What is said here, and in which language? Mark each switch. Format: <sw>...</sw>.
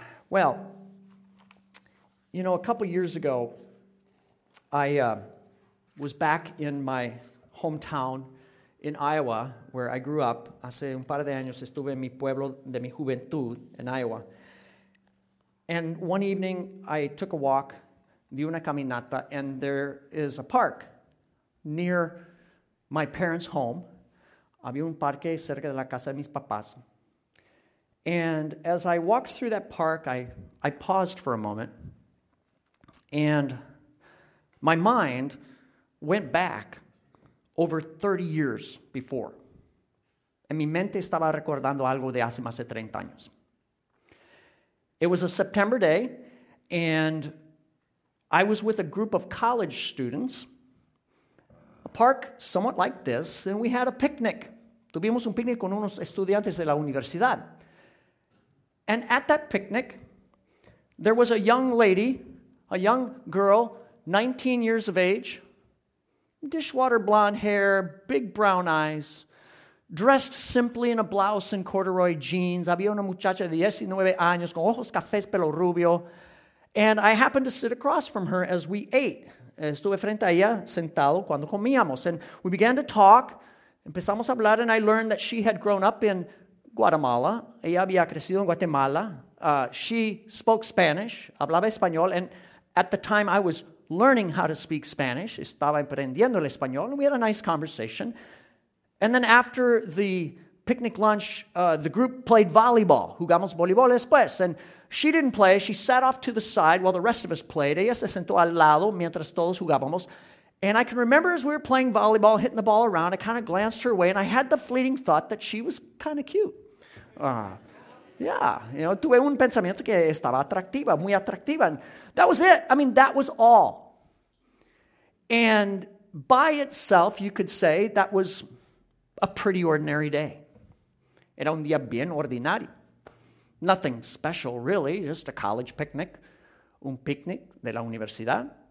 <en>Well, you know, a couple years ago, I was back in my hometown in Iowa, where I grew up.</en> <es>Hace un par de años estuve en mi pueblo de mi juventud en Iowa.</es> <en>And one evening, I took a walk,</en> <es>di una caminata,</es> <en>and there is a park near my parents' home.</en> <es>Había un parque cerca de la casa de mis papás.</es> <en>And as I walked through that park, I paused for a moment, and my mind went back over 30 years before.</en> <es>En mi mente estaba recordando algo de hace más de 30 años.</es> <en>It was a September day, and I was with a group of college students, a park somewhat like this, and we had a picnic.</en> <es>Tuvimos un picnic con unos estudiantes de la universidad.</es> <en>And at that picnic, there was a young lady, a young girl, 19 years of age, dishwater blonde hair, big brown eyes, dressed simply in a blouse and corduroy jeans.</en> <es>Había una muchacha de 19 años con ojos cafés, pelo rubio.</es> <en>And I happened to sit across from her as we ate.</en> <es>Estuve frente a ella sentado cuando comíamos.</es> <en>And we began to talk.</en> <es>Empezamos a hablar,</es> <en>and I learned that she had grown up in Guatemala.</en> <es>Ella había crecido en Guatemala.</es> <en>She spoke Spanish,</en> <es>hablaba español,</es> <en>and at the time I was learning how to speak Spanish.</en> <es>Estaba aprendiendo el español,</es> <en>and we had a nice conversation. And then after the picnic lunch, the group played volleyball.</en> <es>Jugamos voleibol después.</es> <en>And she didn't play. She sat off to the side while the rest of us played.</en> <es>Ella se sentó al lado mientras todos jugábamos.</es> <en>And I can remember as we were playing volleyball, hitting the ball around, I kind of glanced her way, and I had the fleeting thought that she was kind of cute.</en> <es>Tuve un pensamiento que estaba atractiva, muy atractiva.</es> <en>And that was it. I mean, that was all. And by itself, you could say that was a pretty ordinary day.</en> <es>Era un día bien ordinario.</es> <en>Nothing special, really, just a college picnic,</en> <es>un picnic de la universidad.</es>